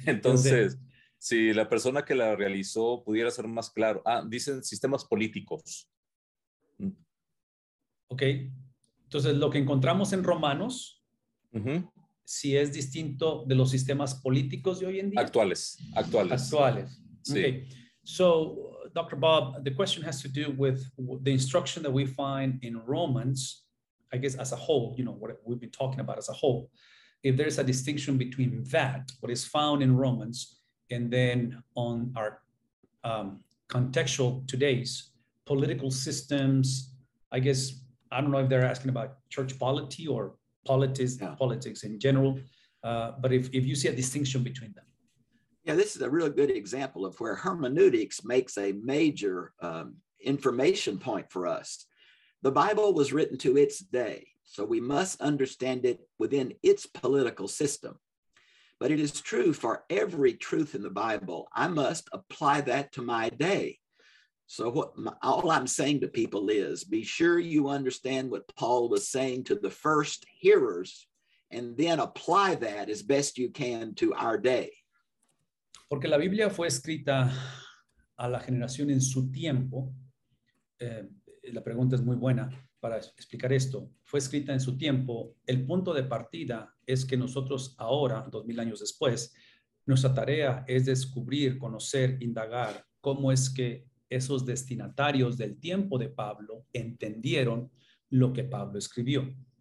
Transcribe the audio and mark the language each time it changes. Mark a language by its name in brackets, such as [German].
[Spanish] Entonces, si la persona que la realizó pudiera ser más claro. Ah, dicen sistemas políticos. Ok, entonces lo que encontramos en Romanos... Uh-huh. Si es distinto de los sistemas políticos de hoy en día. Actuales. [English] Sí. Okay. So, Dr. Bob, the question has to do with the instruction that we find in Romans, I guess as a whole, you know, what we've been talking about as a whole. If there's a distinction between that, what is found in Romans, and then on our contextual today's political systems, I guess, I don't know if they're asking about church polity or politics in general, but if you see a distinction between them. Yeah, this is a real good example of where hermeneutics makes a major information point for us. The Bible was written to its day, so we must understand it within its political system. But it is true for every truth in the Bible, I must apply that to my day. So all I'm saying to people is, be sure you understand what Paul was saying to the first hearers, and then apply that as best you can to our day. [Spanish] Porque la Biblia fue escrita a la generación en su tiempo. La pregunta es muy buena para explicar esto. Fue escrita en su tiempo. El punto de partida es que nosotros ahora, 2,000 años después, nuestra tarea es descubrir, conocer, indagar cómo es que esos destinatarios del tiempo de Pablo entendieron lo que Pablo escribió.